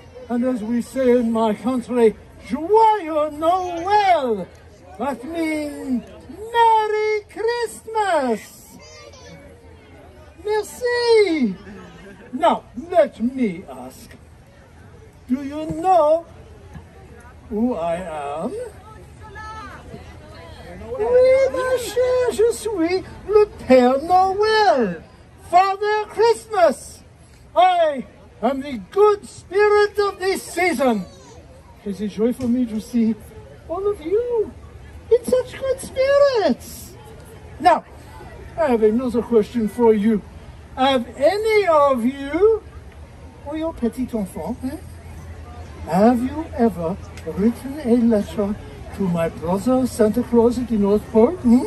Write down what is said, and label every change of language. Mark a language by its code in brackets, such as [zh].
[en] And as we say in my country, [fr] joyeux Noël! [en] That means Merry Christmas! [fr] Merci! [en] Now, let me ask, do you know who I am? [fr] Oui, ma chère, je suis le Père Noël, [en] Father Christmas. I am the good spirit of this season. It's a joy for me to see all of you in such good spirits. Now, I have another question for you. Have any of you, or your [fr] petit enfant, [en] have you ever written a letter to my brother, Santa Claus, at the North Pole?